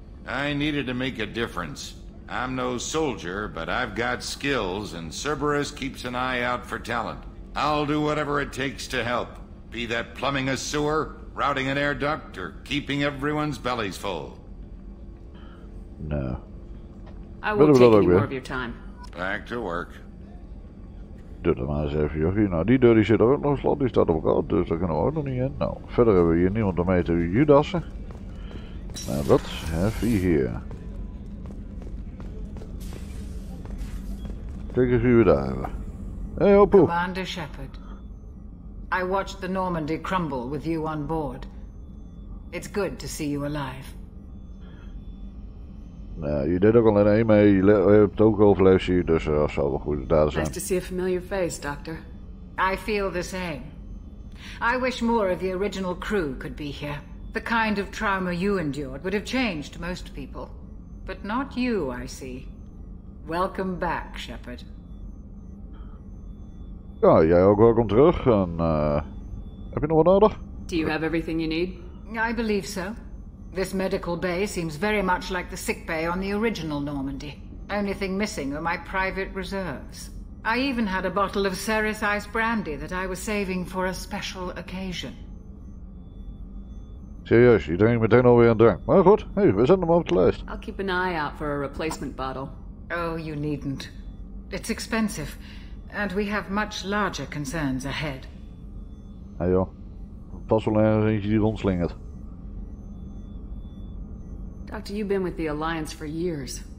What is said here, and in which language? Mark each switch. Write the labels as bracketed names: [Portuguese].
[English] I needed to make a difference. I'm no soldier, but I've got skills, and Cerberus keeps an eye out for talent. I'll do whatever it takes to help, be that plumbing a sewer, routing an air duct, or keeping everyone's bellies full. No. I will take any more of your time. Back to work. [Dutch] Doe dat maar eens even, jochie. Nou, die deur die zit ook nog slot, die staat op elkaar, dus daar kunnen we ook nog niet in. Nou, verder hebben we hier niemand om mee te judassen. Nou, wat heb je hier? Kijk eens wie we daar hebben. Hé, hey, hoppoe! [English] Commander Shepard. I watched the Normandy crumble with you on board. It's good to see you alive. [Dutch] Nou, je deed ook al in één mee, je hebt ook overleefd, zie je, dus dat zou wel goed daar zijn. [English] Nice to see a familiar face, Doctor. I feel the same. I wish more of the original crew could be here. The kind of trauma you endured would have changed most people. But not you, I see. Welcome back, Shepard. [Dutch] Ja, jij ook welkom terug. En heb je nog wat nodig? [English] Do you have everything you need? I believe so. This medical bay seems very much like the sick bay on the original Normandy. Only thing missing are my private reserves. I even had a bottle of Ceres ice brandy that I was saving for a special occasion. [Dutch] Serieus, je drinkt meteen alweer een drank. Maar goed, hey, we zetten hem op de lijst. [English] I'll keep an eye out for a replacement bottle. Oh, you needn't. It's expensive, and we have much larger concerns ahead. [Dutch] Ja, joh. Pas wel ergens eentje die rondslingert. [English] Doctor, you've been with the Alliance for years.